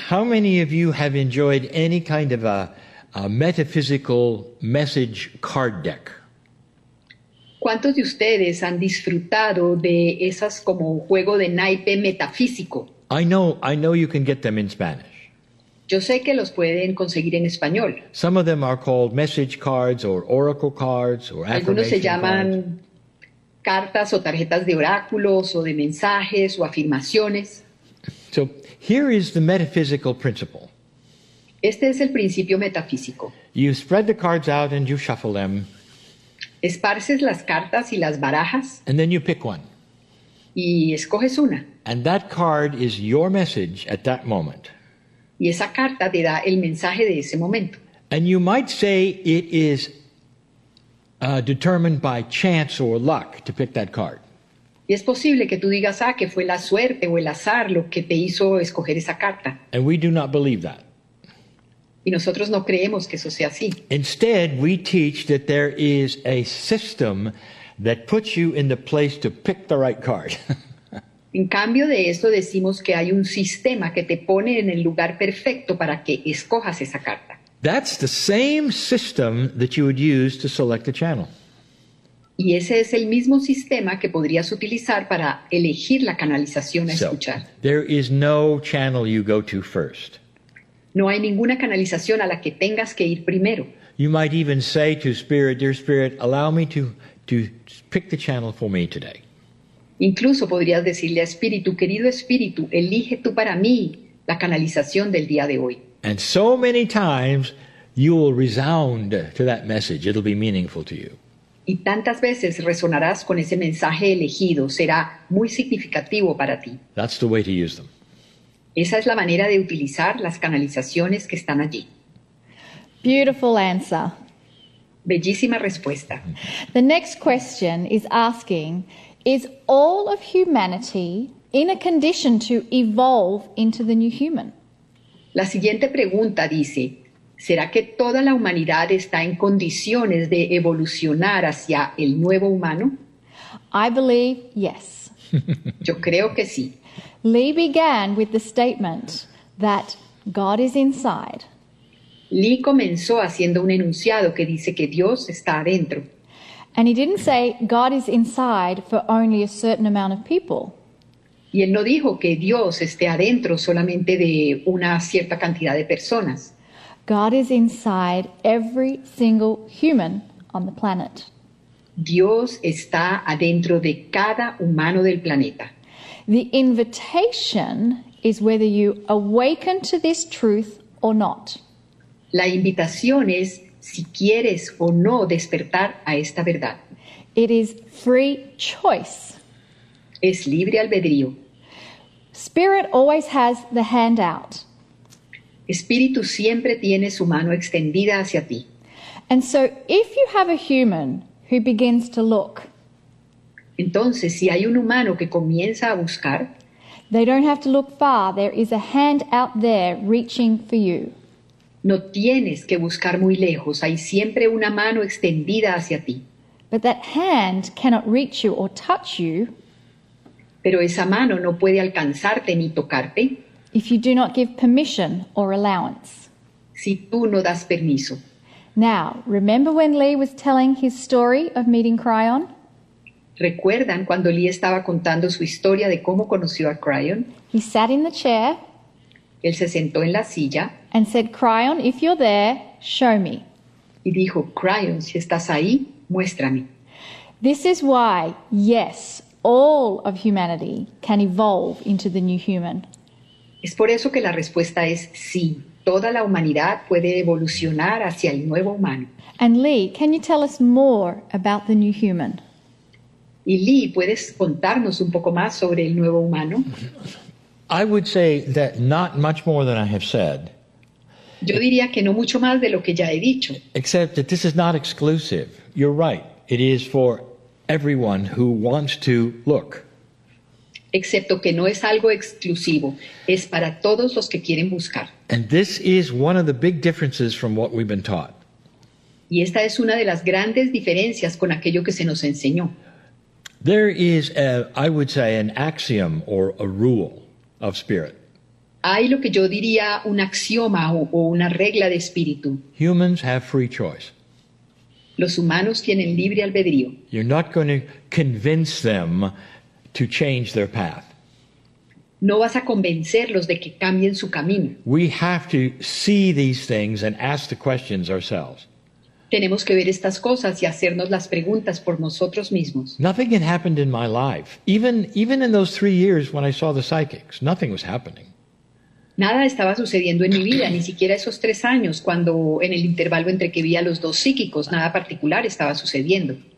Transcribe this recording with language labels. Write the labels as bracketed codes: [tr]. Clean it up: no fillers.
[en] How many of you have enjoyed any kind of a metaphysical message card deck? [es] ¿Cuántos de ustedes han disfrutado de esas como juego de naipe metafísico? [en] I know you can get them in Spanish. [es] Yo sé que los pueden conseguir en español. [en] Some of them are called message cards or oracle cards or affirmation cards. [es] Algunos se llaman cartas o tarjetas de oráculos o de mensajes o afirmaciones. [en] So here is the metaphysical principle. [es] Este es el principio metafísico. [en] You spread the cards out and you shuffle them. [es] Esparces las cartas y las barajas. [en] And then you pick one. [es] Y escoges una. [en] And that card is your message at that moment. [es] Y esa carta te da el mensaje de ese momento. [en] And you might say it is determined by chance or luck to pick that card. [es] Y es posible que tú digas, ah, que fue la suerte o el azar lo que te hizo escoger esa carta. [en] And we do not believe that. [es] Y nosotros no creemos que eso sea así. [en] Instead, we teach that there is a system that puts you in the place to pick the right card. [es] En cambio de esto, decimos que hay un sistema que te pone en el lugar perfecto para que escojas esa carta. [en] That's the same system that you would use to select a channel. [es] Y ese es el mismo sistema que podrías utilizar para elegir la canalización a escuchar. [en] So, there is no channel you go to first. [es] No hay ninguna canalización a la que tengas que ir primero. [en] You might even say to Spirit, dear Spirit, allow me to pick the channel for me today. [es] Incluso podrías decirle a Espíritu, querido Espíritu, elige tú para mí la canalización del día de hoy. [en] And so many times you will resound to that message. It'll be meaningful to you. [es] Y tantas veces resonarás con ese mensaje elegido. Será muy significativo para ti. [en] That's the way to use them. [es] Esa es la manera de utilizar las canalizaciones que están allí. [en] Beautiful answer. [es] Bellísima respuesta. [en] The next question is asking, is all of humanity in a condition to evolve into the new human? [es] La siguiente pregunta dice, ¿será que toda la humanidad está en condiciones de evolucionar hacia el nuevo humano? [en] I believe yes. [es] Yo creo que sí. [en] Lee began with the statement that God is inside. [es] Lee comenzó haciendo un enunciado que dice que Dios está adentro. [en] And he didn't say God is inside for only a certain amount of people. [es] Y él no dijo que Dios esté adentro solamente de una cierta cantidad de personas. [en] God is inside every single human on the planet. [es] Dios está adentro de cada humano del planeta. [en] The invitation is whether you awaken to this truth or not. [es] La invitación es si quieres o no despertar a esta verdad. [en] It is free choice. [es] Es libre albedrío. [en] Spirit always has the hand out. [es] Espíritu siempre tiene su mano extendida hacia ti. [en] And so if you have a human who begins to look, [es] entonces, si hay un humano que comienza a buscar, [en] they don't have to look far. There is a hand out there reaching for you. [es] No tienes que buscar muy lejos. Hay siempre una mano extendida hacia ti. [en] But that hand cannot reach you or touch you. [es] Pero esa mano no puede alcanzarte ni tocarte. [en] If you do not give permission or allowance. [es] Si tú no das permiso. [en] Now, remember when Lee was telling his story of meeting Kryon? [es] ¿Recuerdan cuando Lee estaba contando su historia de cómo conoció a Kryon? [en] He sat in the chair. [es] Él se sentó en la silla. [en] And said, Kryon, if you're there, show me. [es] Y dijo, Kryon, si estás ahí, muéstrame. [en] This is why, yes, all of humanity can evolve into the new human. [es] Es por eso que la respuesta es sí. toda la humanidad puede evolucionar hacia el nuevo humano. [en] And Lee, can you tell us more about the new human? [es] Y Lee, ¿puedes contarnos un poco más sobre el nuevo humano? [en] I would say that not much more than I have said. [es] Yo diría que no mucho más de lo que ya he dicho. [en] Except that this is not exclusive. You're right. It is for everyone who wants to look. [es] Excepto que no es algo exclusivo. Es para todos los que quieren buscar. [en] And this is one of the big differences from what we've been taught. [es] Y esta es una de las grandes diferencias con aquello que se nos enseñó. [en] There is, I would say, an axiom or a rule of spirit. [es] Hay lo que yo diría un axioma o una regla de espíritu. [en] Humans have free choice. [es] Los humanos tienen libre albedrío. [en] You're not going to convince them to change their path. [es] No vas a convencerlos de que cambien su camino. [en] We have to see these things and ask the questions ourselves. [es] Tenemos que ver estas cosas y hacernos las preguntas por nosotros mismos. [en] Nothing had happened in my life. Even in those 3 years when I saw the psychics, nothing was happening. [es] Nada estaba sucediendo en mi vida, ni siquiera esos 3 años, cuando en el intervalo entre que vi a los dos psíquicos, nada particular estaba sucediendo.